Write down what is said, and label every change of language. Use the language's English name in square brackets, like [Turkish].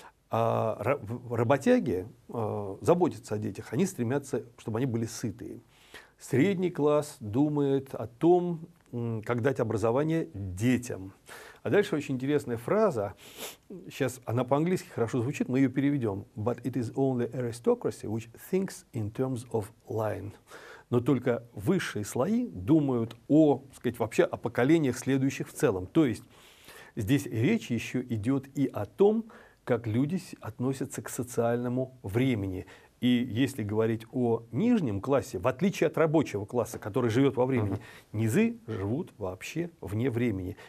[Russian] А работяги заботятся о детях, они стремятся, чтобы они были сытые. Средний класс думает о том, как дать образование детям. А дальше очень интересная фраза. Сейчас она по-английски хорошо звучит, мы ее переведем. [English] But it is only aristocracy which thinks in terms of line. [Russian] Но только высшие слои думают о, вообще о поколениях следующих в целом. То есть здесь речь еще идет и о том, как люди относятся к социальному времени. И если говорить о нижнем классе, в отличие от рабочего класса, который живет во времени, низы живут вообще вне времени.